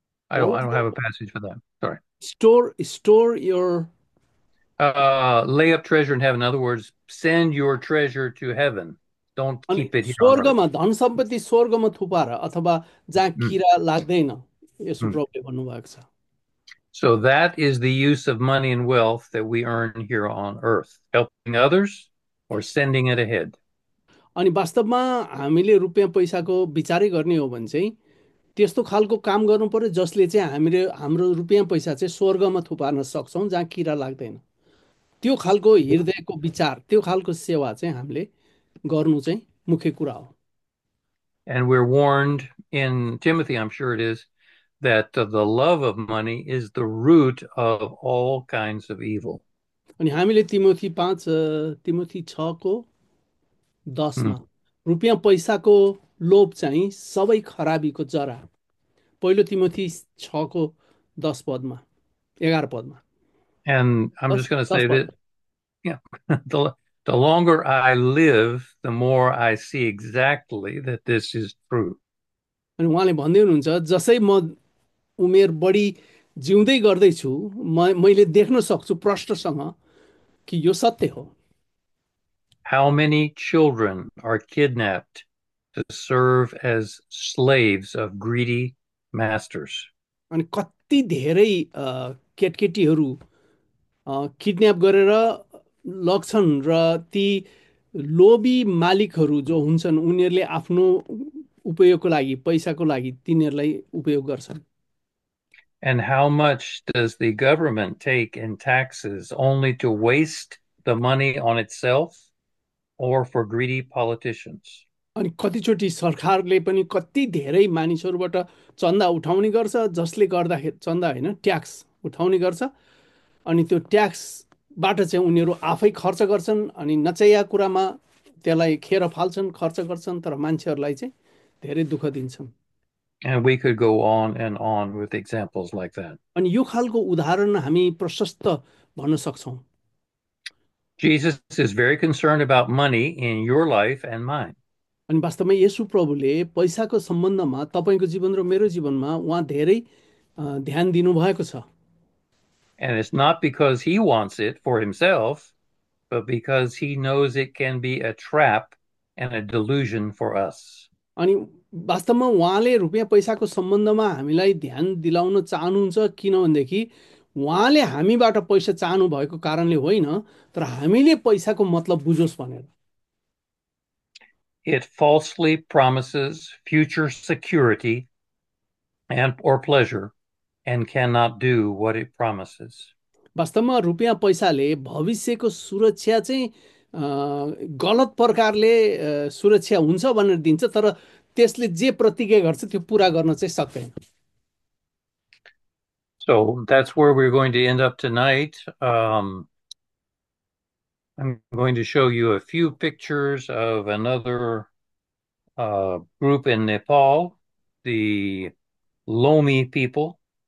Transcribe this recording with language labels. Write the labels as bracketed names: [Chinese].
[English] I don't have a passage for that. Sorry. store your Lay up treasure in heaven. In other words, send your treasure to heaven. Don't [Nepali] अनि [English] keep it here on earth. [Nepali] स्वर्गमा धन सम्पत्ति स्वर्गमा थुपार, अथवा जहाँ किरा लाग्दैन, यसो प्रभुले भन्नुभएको छ। [English] So that is the use of money and wealth that we earn here on earth, helping others or sending it ahead. [Nepali] अनि वास्तवमा हामीले रुपियाँ पैसाको विचारै गर्ने हो भने चाहिँ त्यस्तो खालको काम गर्नु पर्यो जसले चाहिँ हामीले हाम्रो रुपियाँ पैसा चाहिँ स्वर्गमा थुपार्न सक्छौँ जहाँ किरा लाग्दैन। त्यो खालको हृदयको विचार, त्यो खालको सेवा चाहिँ हामीले गर्नु चाहिँ मुख्य कुरा हो। [English] And we're warned in Timothy, I'm sure it is. That the love of money is the root of all kinds of evil. [Nepali] अनि हामीले तिमोथी 5:10 रुपियाँ पैसाको लोभ चाहिँ सबै खराबीको जरा, पहिलो तिमोथी 6:10 पदमा 11 पदमा [English] And I'm [Nepali] दस [English] just going to [Nepali] दस [English] say [Nepali] पद [English] that, yeah, the longer I live, the more I see exactly that this is true. [Nepali] अनि उहाँले भन्दै हुनुहुन्छ, जसै म उमेर बढी जिउँदै गर्दैछु, मैले देख्न सक्छु प्रष्टसँग कि यो सत्य हो। [English] How many children are kidnapped to serve as slaves of greedy masters? [Nepali] अनि कति धेरै केटकेटीहरू किडन्याप गरेर लग्छन् र ती लोभी मालिकहरू जो हुन्छन् उनीहरूले आफ्नो उपयोगको लागि, पैसाको लागि तिनीहरूलाई उपयोग गर्छन्। [English] And how much does the government take in taxes only to waste the money on itself? Or for greedy politicians. [Nepali] अनि कतिचोटि सरकारले पनि कति धेरै मानिसहरूबाट चन्दा उठाउने गर्छ, जसले गर्दाखेरि चन्दा होइन ट्याक्स उठाउने गर्छ, अनि त्यो ट्याक्सबाट चाहिँ उनीहरू आफै खर्च गर्छन्, अनि नचाहिएको कुरामा त्यसलाई खेर फाल्छन्, खर्च गर्छन्, तर मान्छेहरूलाई चाहिँ धेरै दुःख दिन्छन्। [English] And we could go on and on with examples like that. [Nepali] अनि यो खालको उदाहरण हामी प्रशस्त भन्न सक्छौँ। [English] Jesus is very concerned about money in your life and mine. [Nepali] अनि वास्तवमा येशु प्रभुले पैसाको सम्बन्धमा तपाईँको जीवन र मेरो जीवनमा उहाँ धेरै ध्यान दिनुभएको छ। [English] And it's not because he wants it for himself, but because he knows it can be a trap and a delusion for us. [Nepali] अनि वास्तवमा उहाँले रुपियाँ पैसाको सम्बन्धमा हामीलाई ध्यान दिलाउन चाहनुहुन्छ किनभनेदेखि उहाँले हामीबाट पैसा चाहनु भएको कारणले होइन, तर हामीले पैसाको मतलब बुझोस् भनेर। [English] It falsely promises future security and or pleasure and cannot do what it promises. [Nepali] वास्तवमा रुपियाँ पैसाले भविष्यको सुरक्षा चाहिँ गलत प्रकारले सुरक्षा हुन्छ भनेर दिन्छ, तर त्यसले जे प्रतिज्ञा गर्छ त्यो पुरा गर्न चाहिँ सक्दैन। [English] So that's where we're going to end up tonight. I'm going to show you a few pictures of another group in Nepal, the Lomi people.